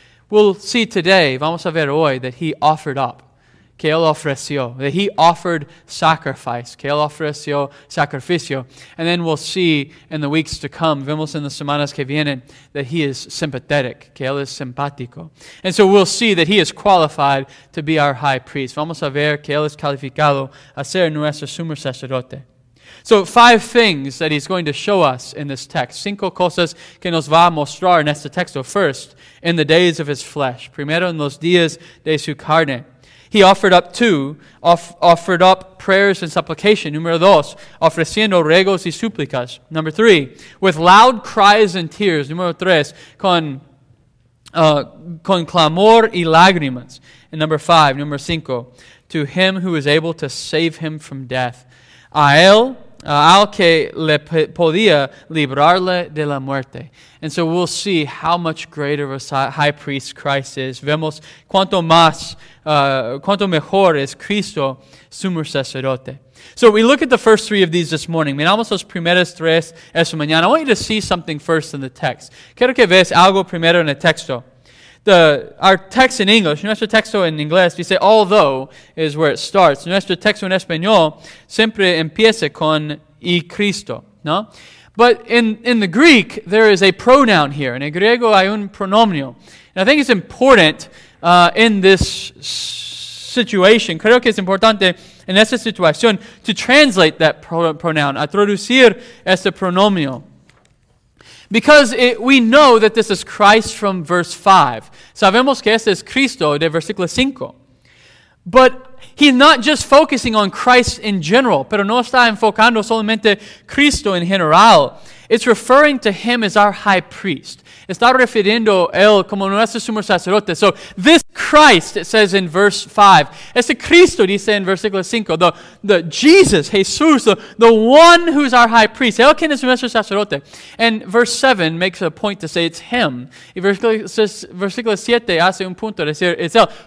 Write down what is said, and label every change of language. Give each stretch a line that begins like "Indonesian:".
English: We'll see today,
Spanish: vamos a ver hoy,
English: that he offered up.
Spanish: Que él ofreció,
English: that he offered sacrifice,
Spanish: que él ofreció sacrificio.
English: And then we'll see in the weeks to come,
Spanish: vemos en las semanas que vienen,
English: that he is sympathetic,
Spanish: que él es simpático.
English: And so we'll see that he is qualified to be our high priest.
Spanish: Vamos a ver que él es calificado a ser nuestro sumo sacerdote.
English: So 5 things that he's going to show us in this text.
Spanish: 5 cosas que nos va a mostrar en este texto.
English: First, in the days of his flesh.
Spanish: Primero, en los días de su carne.
English: He offered up 2, offered up prayers and supplication.
Spanish: Número 2, ofreciendo ruegos y súplicas.
English: Number 3, with loud cries and tears.
Spanish: Número 3, con con clamor y lágrimas.
English: And number five, number cinco, to him who is able to save him from death.
Spanish: A él, al que le podía librarle de la muerte.
English: And so we'll see how much greater a high priest Christ is.
Spanish: Vemos cuanto más, cuanto mejor es Cristo, sumo sacerdote.
English: So we look at the first three of these this morning.
Spanish: Miramos los primeros tres esta mañana.
English: I want you to see something first in the text.
Spanish: Quiero que veas algo primero en el texto.
English: Our text in English,
Spanish: nuestro texto en inglés, dice,
English: although is where it starts.
Spanish: Nuestro texto en español siempre empieza con y Cristo, ¿no?
English: But in the Greek, there is a pronoun here.
Spanish: En el griego hay un pronomio.
English: And I think it's important in this situation, creo que es importante en esta situación to translate that pronoun,
Spanish: a traducir este pronomio.
English: Because we know that this is Christ from verse 5.
Spanish: Sabemos que este es Cristo de versículo 5.
English: But he's not just focusing on Christ in general,
Spanish: pero no está enfocando solamente Cristo en general.
English: It's referring to him as our high priest.
Spanish: Está refiriendo él como nuestro sumo sacerdote.
English: So this Christ, it says in verse 5.
Spanish: Este Cristo, dice en versículo 5.
English: The Jesus, Jesus, the one who's our high priest.
Spanish: El quien es nuestro sacerdote.
English: And verse 7 makes a point to say it's him.
Spanish: Y versículo 7 hace un punto de decir it's él.